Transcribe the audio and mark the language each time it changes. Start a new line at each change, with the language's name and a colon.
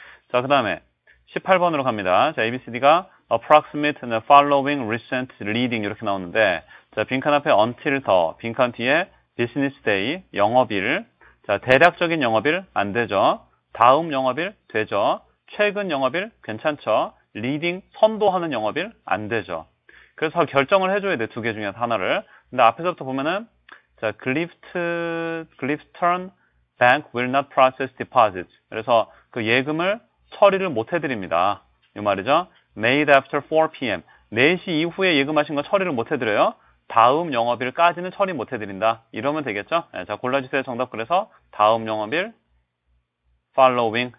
Korean: 자, 그다음에 18번으로 갑니다. 자, ABCD가 approximate and following recent leading 이렇게 나오는데, 자, 빈칸 앞에 until the, 빈칸 뒤에 business day, 영업일. 자, 대략적인 영업일 안 되죠. 다음 영업일 되죠. 최근 영업일 괜찮죠. leading 선도하는 영업일 안 되죠. 그래서 결정을 해줘야 돼, 두개 중에 하나를. 근데 앞에서부터 보면은, 자,
English: Cliff's turn, bank will not process deposits.
Korean: 그래서 그 예금을 처리를 못 해드립니다. 이 말이죠.
English: Made after 4 p.m.
Korean: 4시 이후에 예금하신 거 처리를 못 해드려요. 다음 영업일까지는 처리 못 해드린다. 이러면 되겠죠? 예, 자, 골라주세요. 정답. 그래서 다음 영업일, following.